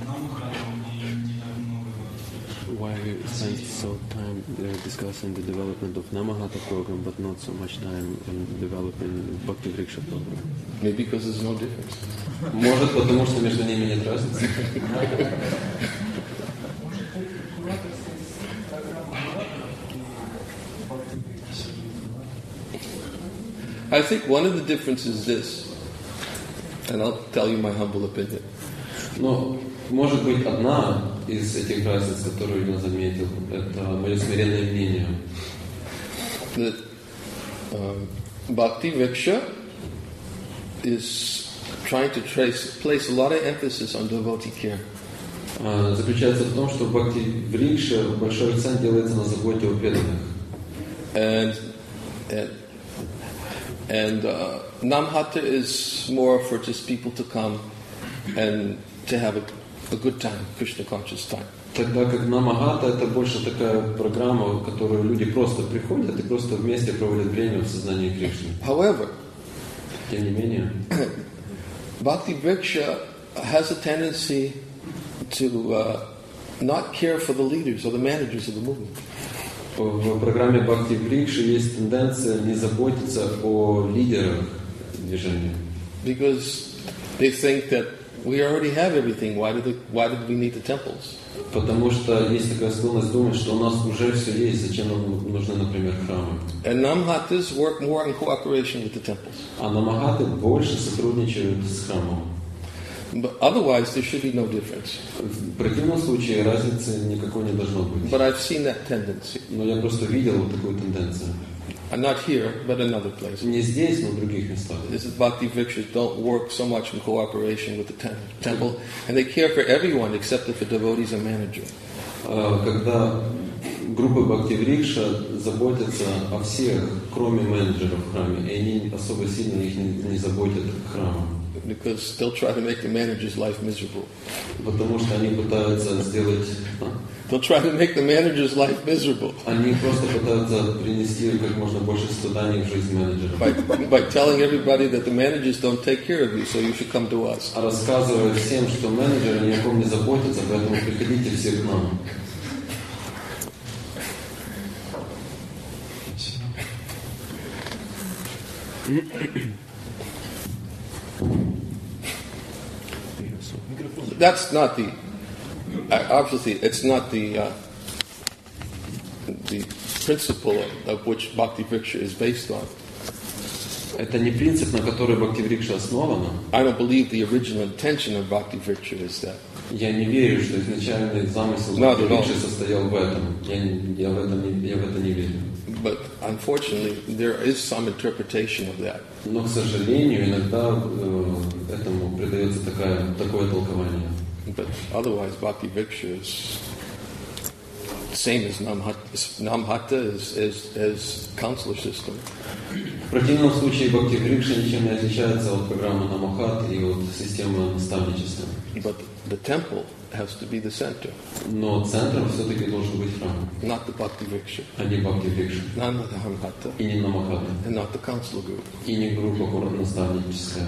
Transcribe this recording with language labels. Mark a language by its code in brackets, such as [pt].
[en] Why we spend so time discussing the development of Namahata program, but not so much time in developing Bhakti Vriksha program? Maybe because there's no difference. [ru] Может, потому что между ними нет разницы. [en] I think one of the differences is this, and I'll tell you my humble opinion. [ru] Но, может быть, одна из этих разниц, которую я заметил, это мое смиренное мнение. [en] That Bhakti Vriksha is trying to place a lot of emphasis on devotee care. [ru] Заключается в том, что Bhakti Vriksha большой акцент делается на заботе о преданных. [en] And Namahata is more for just people to come and to have a good time, Krishna conscious time. [ru] Тогда как Намахата это больше такая программа, в которую люди просто приходят и просто вместе проводят время в сознании Кришны. [en] However, [ru] тем не менее, [en] Bhakti Vriksha has a tendency to not care for the leaders or the managers of the movement. [ru] В программе Bhakti Vriksha есть тенденция не заботиться о лидерах движения. [en] Because they think that we already have everything. Why did we need the temples? [ru] Потому что есть такая склонность думать, что у нас уже все есть. Зачем нам нужны, например, храмы? [en] And Namahatas work more in cooperation with the temples. [ru] А намахаты больше сотрудничают с храмом. [en] But otherwise, there should be no difference. [ru] В противном случае разницы никакой не должно быть. [en] But I've seen that tendency. [ru] Но я просто видел вот такую тенденцию. [en] And not here, but another place. [ru] Не здесь, но в других местах. [en] This is Bhakti Vriksha don't work so much in cooperation with the temple, and they care for everyone except if a devotee is a manager. [ru] Когда группы Bhakti Vriksha заботятся о всех, кроме менеджеров в храме, и они особо сильно их не заботят храмом. [en] Because they'll try to make the manager's life miserable. [ru] Потому что они пытаются сделать. [en] They'll try to make the manager's life miserable. [ru] Они просто пытаются принести как можно больше страданий в жизнь менеджера. [en] By telling everybody that the managers don't take care of you, so you should come to us. [ru] А рассказывая всем, что менеджеры ни о ком не заботятся, поэтому приходите все к нам. [en] That's not the. Obviously, it's not the the principle of which Bhakti Vriksha is based on. [ru] Это не принцип, на который Бхакти Врикша основана. [en] I don't believe the original intention of Bhakti Vriksha is that. [ru] Я не верю, что изначальный замысел Бхакти Врикши состоял в этом. Я в это не верю. [en] But unfortunately, there is some interpretation of that. [ru] Но, к сожалению, иногда этому придается такое толкование. [en] But otherwise, Bhakti Vriksha is same as Namahata as counselor system. [ru] В противном случае Бхакти Врикша ничем не отличается от программы Намахат и от системы наставничества. [en] But the temple has to be the center. [ru] Но центром все-таки должен быть храм. [en] Not the Bhakti Vriksha. [ru] А не Бхакти Врикша. [en] Not the Namahata. [ru] И не Намахата. [en] And not the counselor group. [ru] И не группа наставническая.